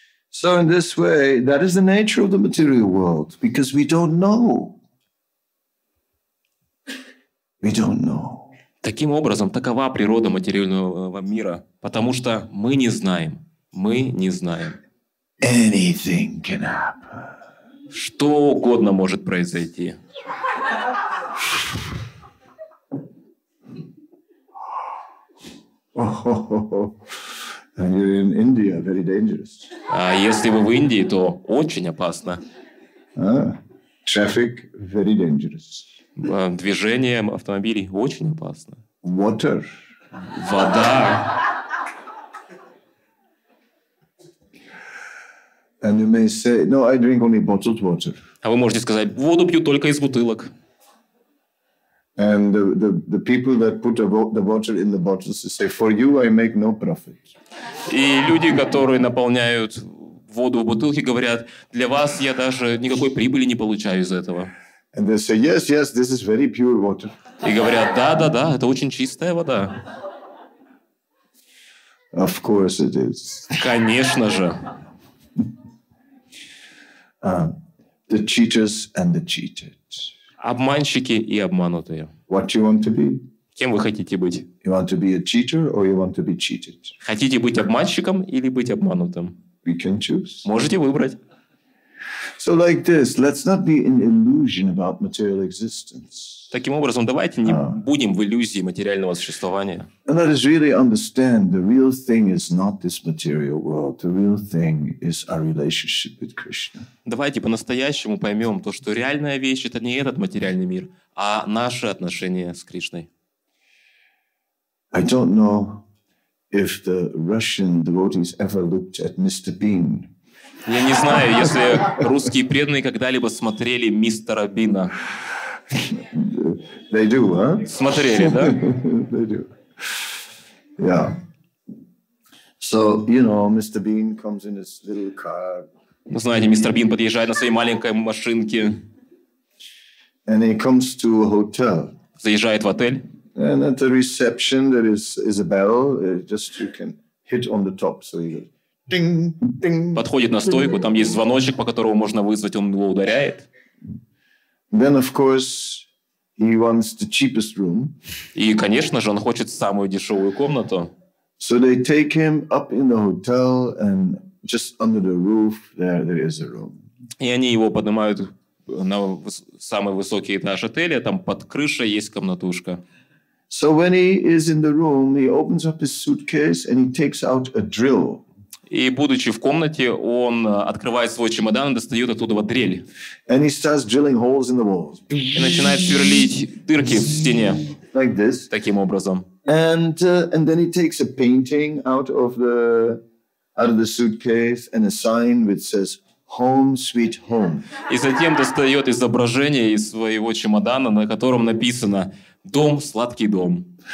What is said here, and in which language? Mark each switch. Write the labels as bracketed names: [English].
[English] So in this way, that is the nature of the material world, because we don't know. We don't know. [Russian] Таким образом, такова природа материального мира, потому что мы не знаем. Мы не знаем. [English] Anything can happen. [Russian] Что угодно может произойти. [English] Oh, and you're in India, very dangerous. [Russian] А если вы в Индии, то очень опасно. [English] Traffic, very dangerous. [Russian] Движение автомобилей очень опасно. [English] Water. [Russian] Вода. [English] And you may say, no, I drink only bottled water. [Russian] А вы можете сказать, воду пью только из бутылок. [English] And the people that put the water in the bottles say, for you I make no profit. [Russian] И люди, которые наполняют воду в бутылки, говорят, для вас я даже никакой прибыли не получаю из этого. [English] And they say, yes, yes, this is very pure water. [Russian] И говорят, да, это очень чистая вода. [English] Of course it is. [Russian] Конечно же. [English] The cheaters and the cheated. [Russian] Обманщики и обманутые. [English] What you want to be? [Russian] Кем вы хотите быть? [English] You want to be a cheater or you want to be cheated? [Russian] Хотите быть обманщиком или быть обманутым? [English] We can choose. [Russian] Можете выбрать. [English] So like this, let's not be in illusion about material existence. [Russian] Таким образом, давайте не будем в иллюзии материального существования. [English] And let us really understand the real thing is not this material world. The real thing is our relationship with Krishna. [Russian] Давайте по-настоящему поймем то, что реальная вещь это не этот материальный мир, а наши отношения с Кришной. [English] I don't know if the Russian devotees ever looked at Mr. Bean. [Russian] Я не знаю, если русские преданные когда-либо смотрели мистера Бина. [English] They do, huh? [Russian] Смотрели, да? [English] They do. Yeah. So, you know, Mr. Bean comes in his little car. [Russian] Вы знаете, мистер Бин подъезжает на своей маленькой машинке. [English] And he comes to a hotel. [Russian] Заезжает в отель. [English] And at the reception there is a bell. Just you can hit on the top, so you. Ding, ding, [Russian] подходит на стойку, ding, ding. Там есть звоночек, по которому можно вызвать, он его ударяет. [English] Then, of course, he wants the cheapest room. [Russian] И, конечно же, он хочет самую дешевую комнату. [English] So they take him up in the hotel, and just under the roof there is a room. [Russian] И они его поднимают на самый высокий этаж отеля, там под крышей есть комнатушка. [English] So when he is in the room, he opens up his suitcase and he takes out a drill. [Russian] И, будучи в комнате, он открывает свой чемодан и достает оттуда вот дрель. [English] And he starts drilling holes in the walls. [Russian] И начинает сверлить дырки в стене. [English] Like this. [Russian] Таким образом. [English] And then he takes a painting out of the suitcase and a sign which says home sweet home. [Russian] И затем достает изображение из своего чемодана, на котором написано дом сладкий дом.